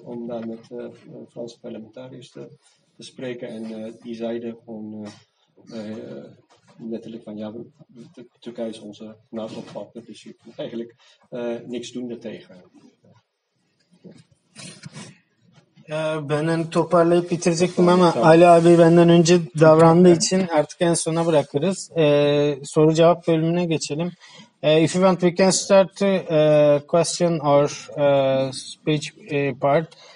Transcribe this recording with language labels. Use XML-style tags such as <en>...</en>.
<nl>Om daar met Franse parlementariërs te spreken. En die zeiden gewoon letterlijk van ja, Turkije is onze NATO-partner, dus je kunt eigenlijk niks doen daartegen.</nl> <tr>Ya ben hani toparlayıp bitirecektim ama Ali abi benden önce davrandığı için artık en sona bırakırız. Soru cevap bölümüne geçelim.</tr> <en>If you want, we can start question or speech part.</en>